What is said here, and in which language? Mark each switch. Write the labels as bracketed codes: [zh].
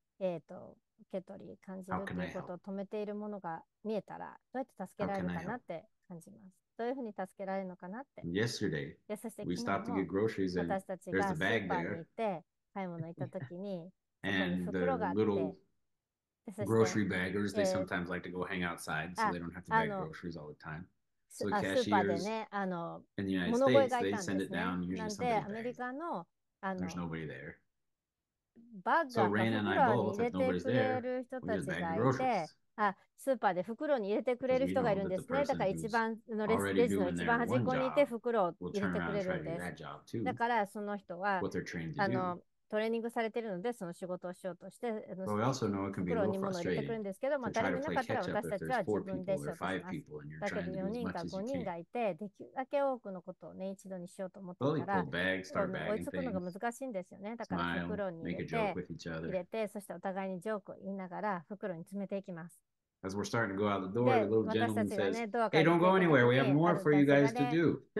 [ja] 受け取り感じるということを止めているものが見えたら、どうやって助けられるかなって感じます。どういうふうに助けられるのかなって。 [en] Yesterday, [ja] いや、そして昨日も私たちがスーパーに行って買い物行った時に、そこに袋があって、 [en] Grocery baggers, they sometimes like to go hang outside so they don't have to bag groceries all the time. So cashiers in the United States, they send it down usually somebody bags. There's nobody there. So Rain and I both, if nobody's there, we just bag the groceries. [ja] あ、スーパーで袋に入れてくれる人がいるんですね。だから一番のレジの一番端っこにいて袋を入れてくれるんです。だからその人はトレーニングされているので、その仕事をしようとして袋に物を入れてくるんですけど、まあ、誰もいなかったら私たちは自分でしようとします。だけど4人か5人がいて、できるだけ多くのことを、ね、一度にしようと思ったから追いつくのが難しいんですよね。だから袋に入れて、そしてお互いにジョークを言いながら袋に詰めていきます。 [en] As we're starting to go out the door, the little gentleman says, hey, don't go anywhere. We have more for you guys to do.